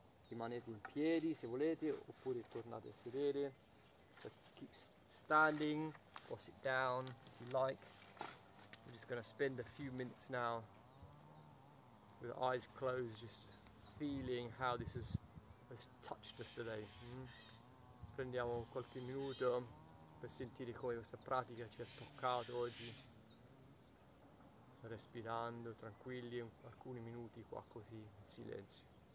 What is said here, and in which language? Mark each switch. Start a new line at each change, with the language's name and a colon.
Italian: Rimanete in piedi se volete, oppure tornate a sedere.
English: So keep standing or sit down if you like. We're just going to spend a few minutes now with eyes closed, just feeling how this has touched us today.
Italian: Prendiamo qualche minuto per sentire come questa pratica ci ha toccato oggi, respirando tranquilli alcuni minuti qua così in silenzio.